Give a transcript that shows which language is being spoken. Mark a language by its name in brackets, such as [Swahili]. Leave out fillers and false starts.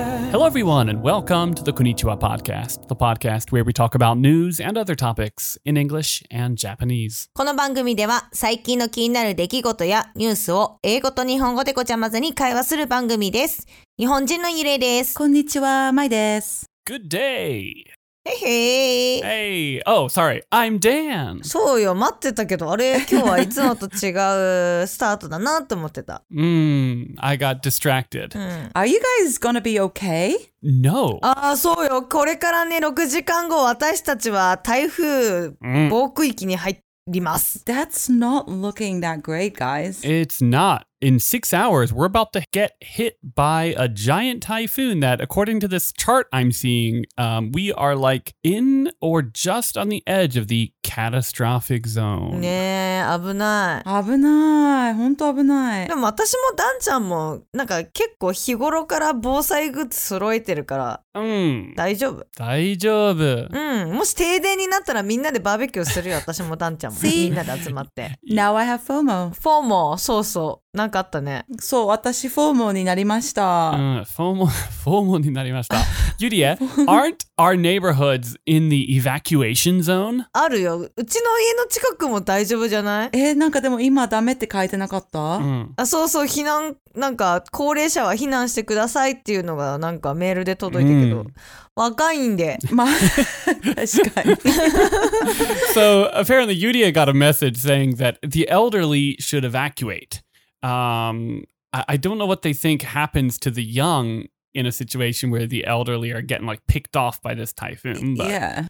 [English] Hello everyone and welcome to the Konnichiwa Podcast, the podcast where we talk about news and other topics in English and Japanese. [Japanese] この番組では最近の気になる出来事やニュースを英語と日本語でごちゃ混ぜに会話する番組です。日本人のゆれです。こんにちは、まいです。 [English] Good day! Hey, hey! Hey! Oh, sorry. I'm Dan! [Japanese] そうよ、待ってたけど、あれ、今日はいつもと違うスタートだなと思ってた。 [English] I got distracted. Are you guys gonna be okay? No. [Japanese] ああ、そうよ。これからね、6時間後、私たちは台風、暴風域に入ります。 [English] That's not looking that great, guys. It's not. In 6 hours, we're about to get hit by a giant typhoon that, according to this chart I'm seeing, we are like in or just on the edge of the catastrophic zone. [Japanese] ねえ、危ない。危ない。本当危ない。でも私もダンちゃんも、なんか結構日頃から防災グッズ揃えてるから、大丈夫。大丈夫。もし停電になったらみんなでバーベキューするよ、私もダンちゃんも。みんなで集まって。 [English] Now I have FOMO. [Japanese] FOMO、そうそう。なんかあったね。そう、私フォーモーになりました。フォーモーになりました。 [English] ユリエ、aren't our neighborhoods in the evacuation zone? [Japanese] あるよ。うちの家の近くも大丈夫じゃない？なんかでも今ダメって書いてなかった？あ、そうそう、避難、なんか高齢者は避難してくださいっていうのがなんかメールで届いてけど。若いんで。まあ、確かに。 [English] So, apparently Yuria got a message saying that the elderly should evacuate. I don't know what they think happens to the young in a situation where the elderly are getting like picked off by this typhoon. But... Yeah.